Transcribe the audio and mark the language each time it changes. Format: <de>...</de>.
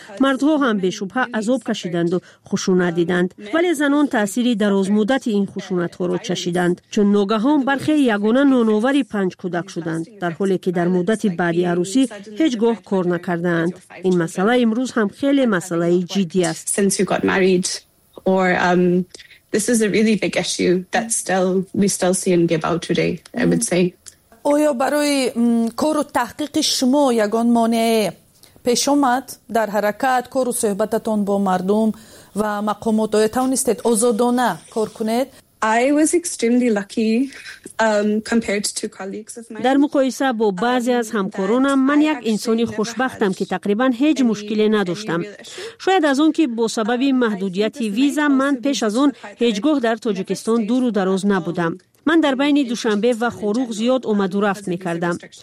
<fa>مردها هم به شبهه عذاب کشیدند و خشونت دیدند، ولی زنان تأثیری دراز مدت این خشونت ها را چشیدند، چون ناگهان برخی یگانه نانآور پنج کودک شدند، در حالی که در مدت بعدی عروسی هیچگاه کار نکردند. این مسئله امروز هم خیلی مسئله جدی است.</fa> <en>This is a really big issue that we still see and give out today, I would say.</en> <fa>آیا برای کار و تحقیق شما یگان مانع پیش آمد در حرکت، کار و صحبتتان با مردم و مقامات؟ آیا توانستید آزادانه کار کنید؟</fa> <en>I was extremely lucky compared to colleagues of mine.</en> <fa>در مقایسه با بعضی از همکارانم من یک انسان خوشبختم که تقریبا هیچ مشکلی نداشتم. شاید از اون که با سبب محدودیت ویزا من پیش از اون هیچگاه در تاجیکستان دور و دراز نبودم. من در بین دوشنبه و خروج زیاد اومد و رفت میکردم.</fa>